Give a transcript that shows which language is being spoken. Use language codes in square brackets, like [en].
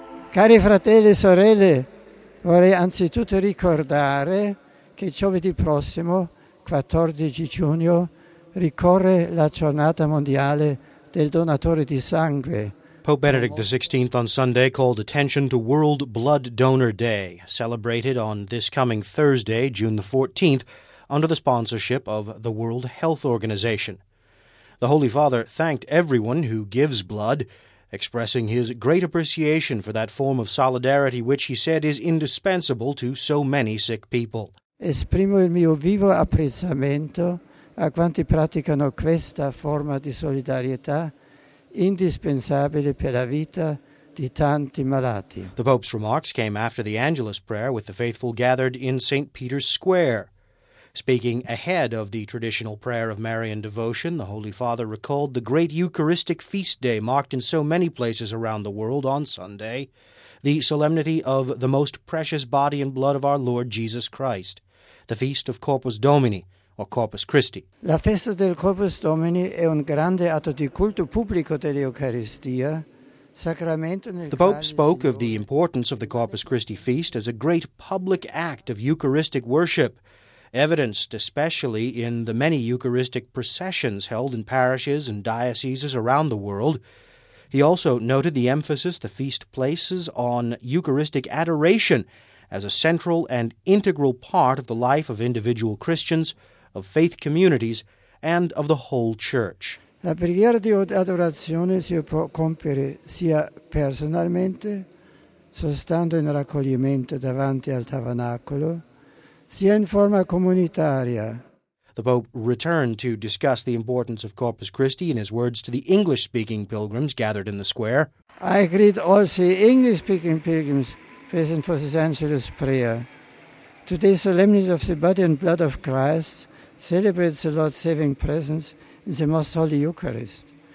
[it] Cari fratelli e sorelle, vorrei anzitutto ricordare che giovedì prossimo, 14 giugno, ricorre la giornata mondiale del donatore di sangue. [en] Pope Benedict XVI on Sunday called attention to World Blood Donor Day, celebrated on this coming Thursday, June the 14th, under the sponsorship of the World Health Organization. The Holy Father thanked everyone who gives blood, expressing his great appreciation for that form of solidarity which he said is indispensable to so many sick people. [it] Esprimo il mio vivo apprezzamento a quanti praticano questa forma di solidarietà indispensabile per la vita di tanti malati. [en] The Pope's remarks came after the Angelus prayer with the faithful gathered in St. Peter's Square. Speaking ahead of the traditional prayer of Marian devotion, the Holy Father recalled the great Eucharistic feast day marked in so many places around the world on Sunday, the solemnity of the most precious body and blood of our Lord Jesus Christ, the feast of Corpus Domini, or Corpus Christi. [it] La festa del Corpus Domini è un grande atto di culto pubblico dell'Eucaristia. [en] The Pope spoke of the importance of the Corpus Christi feast as a great public act of Eucharistic worship, evidenced especially in the many Eucharistic processions held in parishes and dioceses around the world. He also noted the emphasis the feast places on Eucharistic adoration as a central and integral part of the life of individual Christians, of faith communities, and of the whole Church. [it] La preghiera di adorazione si può compiere sia personalmente, sostando in raccoglimento davanti al tabernacolo, sia in forma comunitaria. [en] The Pope returned to discuss the importance of Corpus Christi in his words to the English-speaking pilgrims gathered in the square. I greet all the English-speaking pilgrims present for this Angelus prayer. Today's solemnity of the body and blood of Christ celebrates the Lord's saving presence in the Most Holy Eucharist.